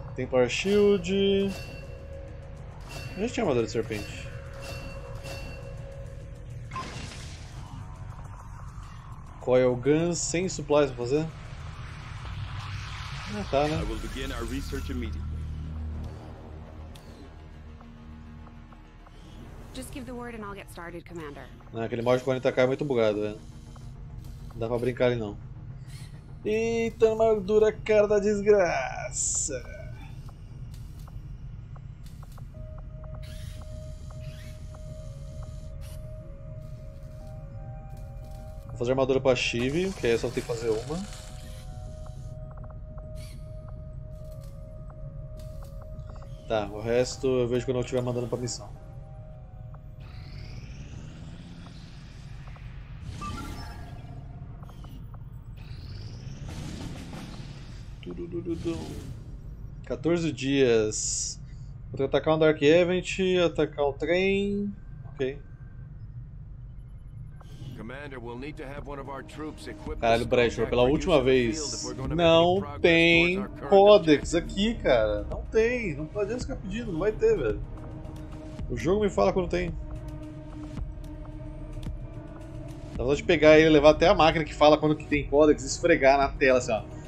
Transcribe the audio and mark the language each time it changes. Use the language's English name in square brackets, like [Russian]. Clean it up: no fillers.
[Portuguese] Templar Shield. A gente tinha armadura de serpente. Coil Gun sem supplies pra fazer. Ah, tá, né? Eu vou começar a pesquisa imediatamente. [English] Just give the word and I'll get started, Commander. [Portuguese] Não, aquele mod de 40k é muito bugado, velho. Não dá pra brincar ali não. Eita, armadura cara da desgraça! Vou fazer armadura pra Shiv, que aí eu só tenho que fazer uma. Tá, o resto eu vejo quando eu estiver mandando pra missão. Do 14 dias. Vou atacar um Dark Event, atacar o trem. Ok. [English] Commander, we'll need to have one of our troops equipped. [Portuguese] Caralho, Bradshaw, pela última vez. Não tem Codex aqui, cara. Não tem. Não pode ficar pedindo, não vai ter, velho. O jogo me fala quando tem. Dá vontade de pegar ele e levar até a máquina que fala quando que tem Codex e esfregar na tela assim, ó.